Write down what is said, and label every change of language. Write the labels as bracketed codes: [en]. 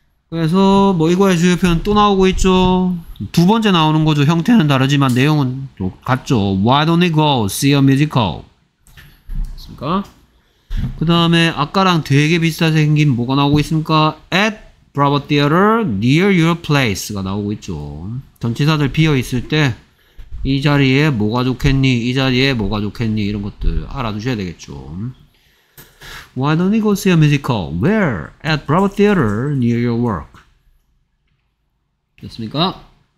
[ko] 그래서 뭐 이거의 주요 표현 또 나오고 있죠. 두 번째 나오는 거죠. 형태는 다르지만 내용은 같죠. [en] why don't we go see a musical? [ko] 됐습니까? 그 다음에 아까랑 되게 비슷하게 생긴 뭐가 나오고 있습니까? [en] at Bravo Theater near your place가 [ko] 나오고 있죠. 전치사들 비어 있을 때 이 자리에 뭐가 좋겠니? 이 자리에 뭐가 좋겠니? 이런 것들 알아두셔야 되겠죠. [en] Why don't you go see a musical? Where? At Bravo Theater near your work. [ko] 됐습니까?